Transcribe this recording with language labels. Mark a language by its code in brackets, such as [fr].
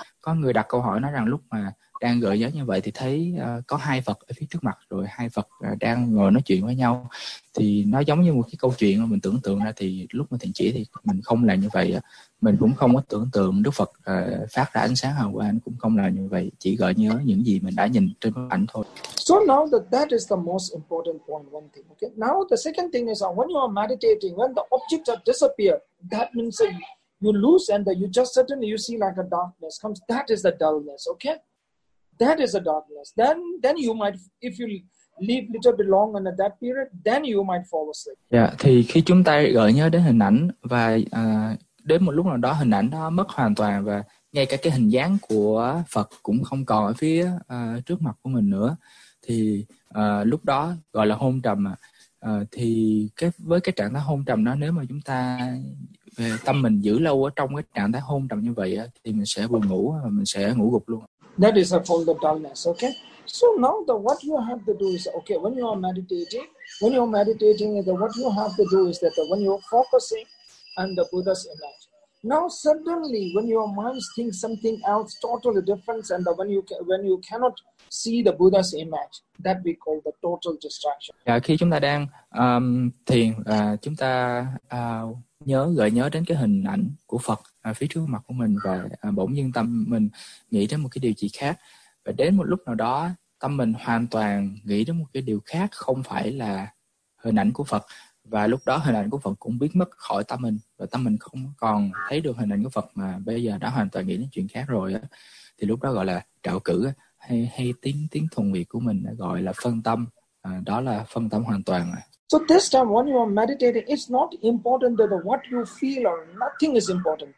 [vi] Có người đặt câu hỏi nói rằng lúc mà đang gợi nhớ như vậy thì thấy có hai Phật ở phía trước mặt, rồi hai Phật đang ngồi nói chuyện với nhau, thì nó giống như một cái câu chuyện mà mình tưởng tượng ra. Thì lúc mà thiền chỉ thì mình không làm như vậy, mình cũng không có tưởng tượng Đức Phật phát ra ánh sáng hào quang, cũng không làm như vậy, chỉ gợi nhớ những gì mình đã nhìn trên bức ảnh thôi. [en] So now that is the most important point, one thing. Okay. Now the second thing is when you are meditating, when the objects are disappear, that means you lose and you just suddenly you see like a darkness comes. That is the dullness. Okay. That is a darkness. Then you might, if you leave little bit long in that period, then you might fall asleep. [vi] Dạ, thì khi chúng ta gợi nhớ đến hình ảnh và đến một lúc nào đó hình ảnh đó mất hoàn toàn, và ngay cả cái hình dáng của Phật cũng không còn ở phía trước mặt của mình nữa, thì lúc đó gọi là hôn trầm. Thì với cái trạng thái hôn trầm đó, nếu mà chúng ta về tâm mình giữ lâu ở trong cái trạng thái hôn trầm như vậy thì mình sẽ buồn ngủ và mình sẽ ngủ gục luôn. [en] That is called the dullness. Okay, so now the what you have to do is okay. When you are meditating, the what you have to do is that when you are focusing on the Buddha's image. Now suddenly, when your mind thinks something else, totally different, and when you cannot see the Buddha's image, that we call the total distraction. [vi] Khi chúng ta đang thiền và chúng ta nhớ gợi nhớ đến cái hình ảnh của Phật phía trước mặt của mình, và bỗng nhiên tâm mình nghĩ đến một cái điều gì khác, và đến một lúc nào đó tâm mình hoàn toàn nghĩ đến một cái điều khác không phải là hình ảnh của Phật, và lúc đó hình ảnh của Phật cũng biến mất khỏi tâm mình, và tâm mình không còn thấy được hình ảnh của Phật mà bây giờ đã hoàn toàn nghĩ đến chuyện khác rồi á, thì lúc đó gọi là trạo cử, hay hay tiếng tiếng thuần Việt của mình gọi là phân tâm, đó là phân tâm hoàn toàn. [en] So this time when you are meditating, it's not important that what you feel or nothing is important.